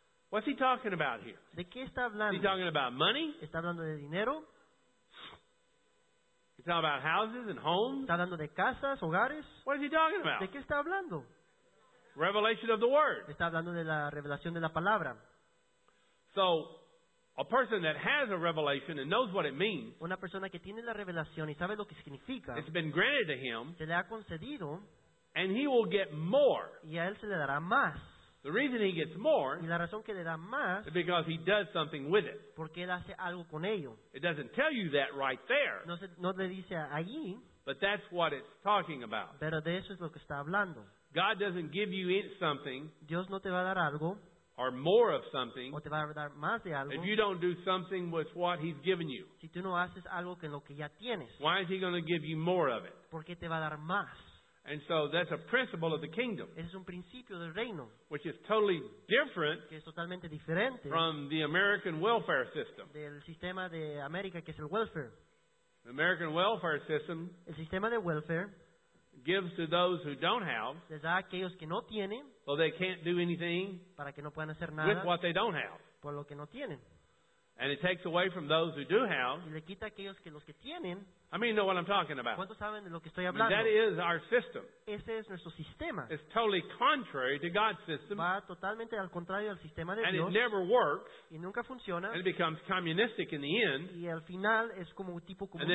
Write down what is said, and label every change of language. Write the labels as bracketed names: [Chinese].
[English] What's he talking about here? [Spanish] ¿De qué está hablando? [English] He's talking about money. [Spanish] Está hablando de dinero. [English] He's talking about houses and homes. [Spanish] Está hablando de casas, hogares. [English] What is he talking about? [Spanish] ¿De qué está hablando? [English] Revelation of the word. [Spanish] Está hablando de la revelación de la palabra. [English] So, a person that has a revelation and knows what it means. [Spanish] Una persona que tiene la revelación y sabe lo que significa. [English] It's been granted to him. [Spanish] Se le ha concedido. [English] And he will get more. [Spanish] Y a él se le dará más. [English] The reason he gets more [Spanish] y la razón que le da más, [English] is because he does something with it. [Spanish] Porque él hace algo con ello. [English] It doesn't tell you that right there. [Spanish] No, no le dice allí, [English] but that's what it's talking about. [Spanish] Pero de eso es lo que está hablando. [English] God doesn't give you something. [Spanish] Dios no te va a dar algo, [English] or more of something. [Spanish] O te va a dar más de algo, [English] if you don't do something with what he's given you. [Spanish] Si tú no haces algo que lo que ya tienes, [English] why is he going to give you more of it? [Spanish] Porque te va a dar más. [English] And so that's a principle of the kingdom. [Spanish] Es un principio del reino, [English] which is totally different, [Spanish] que es totalmente diferente, [English] from the American welfare system. [Spanish] Del sistema de América, que es el welfare. [English] The American welfare system, [Spanish] el sistema de welfare, [English] gives to those who don't have, [Spanish] les da a aquellos que no tienen, [English] so they can't do anything, [Spanish] para que no puedan hacer nada, [English] with what they don't have. [Spanish] Por lo que no tienen. [English] And it takes away from those who do have. [Spanish] Y le quita a aquellos que los que tienen. [English] How many know what I'm talking about? [Spanish] ¿Cuántos saben de lo que estoy hablando? [English] I mean, that is our system. [Spanish] Ese es nuestro sistema. [English] It's totally contrary to God's system. [Spanish] Va totalmente al contrario al sistema de [English] and [Spanish] Dios. [English] It never works. [Spanish] Y nunca funciona. [English] And it becomes communistic in the end. [Spanish] Y al final es como tipo comunismo.